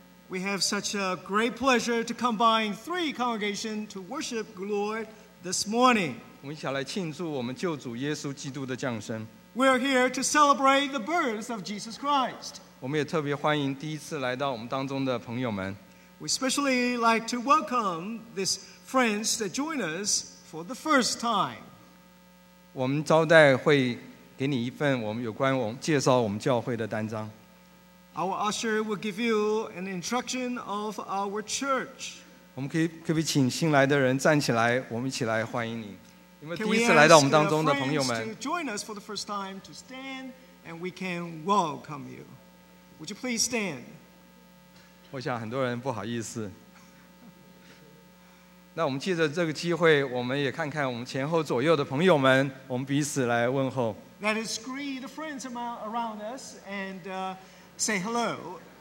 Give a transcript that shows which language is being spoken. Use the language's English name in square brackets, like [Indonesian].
[English] We have such a great pleasure to combine three congregations to worship the Lord this morning. [Chinese] 我们一起来庆祝我们救主耶稣基督的降生。 [English] We're here to celebrate the birth of Jesus Christ. [Chinese] 我们也特别欢迎第一次来到我们当中的朋友们。 [English] We especially like to welcome these friends that join us for the first time. [Chinese] 我们招待会给你一份我们有关我们介绍我们教会的单张。 [English] Our usher will give you an introduction of our church. [Chinese] 我们可不可以请新来的人站起来，我们一起来欢迎你。因为第一次来到我们当中的朋友们。 [English] Can we ask friends to join us for the first time to stand and we can welcome you? Would you please stand? [Chinese] 我想很多人不好意思。那我们借着这个机会，我们也看看我们前后左右的朋友们，我们彼此来问候。 [English] Let us greet the friends around us and say hello.